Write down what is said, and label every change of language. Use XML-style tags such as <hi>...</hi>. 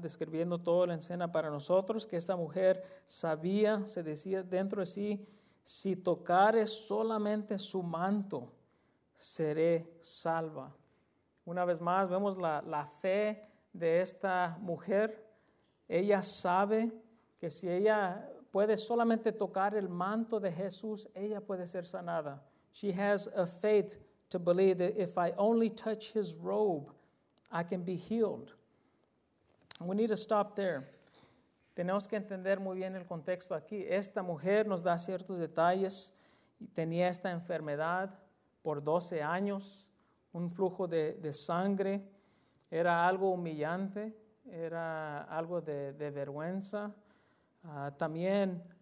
<es>Describiendo toda la escena para nosotros, que esta mujer sabía, se decía dentro de sí, si tocare solamente su manto, seré salva. Una vez más, vemos la fe de esta mujer. Ella sabe que si ella puede solamente tocar el manto de Jesús, ella puede ser sanada.</es> <en>She has a faith to believe that if I only touch his robe, I can be healed. We need to stop there.</en> <es>Tenemos que entender muy bien el contexto aquí. Esta mujer nos da ciertos detalles. Tenía esta enfermedad por 12 años. Un flujo de sangre, era algo humillante, era algo de vergüenza. También</es>